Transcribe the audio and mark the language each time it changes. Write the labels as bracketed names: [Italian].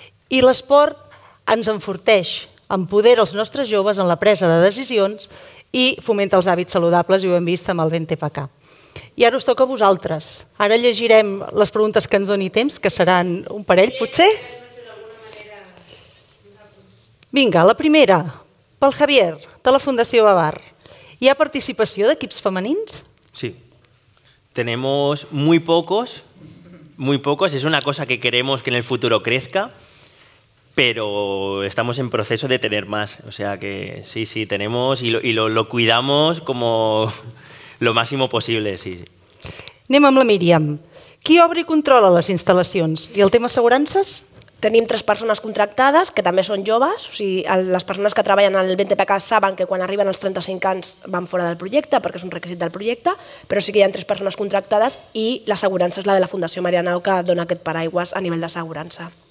[Catalan] i l'esport ens enforteix, empodera els nostres joves en la presa de decisions i fomenta els hàbits saludables, i ho hem vist amb el BNTPK. I ara us toca a vosaltres. Ara llegirem les preguntes que ens doni temps, que seran un parell, potser? Vinga, la primera, pel Javier, de la Fundació Babar. Hi ha participació d'equips femenins? Sí. [Spanish] Tenemos muy pocos, muy pocos. Es una cosa que queremos que en el futuro crezca, pero estamos en proceso de tener más. O sea que sí, sí, tenemos y lo cuidamos como lo máximo posible, sí. [Catalan] Anem amb la Míriam. Qui obre i controla les instal·lacions? I el tema assegurances? Tenim tres persones contractades, que també són joves. O sigui, les persones que treballen al BNTPK saben que quan arriben als 35 anys van fora del projecte, perquè és un requisit del projecte, però sí que hi ha tres persones contractades i l'assegurança és la de la Fundació Marianao, que dona aquest paraigües a nivell d'assegurança.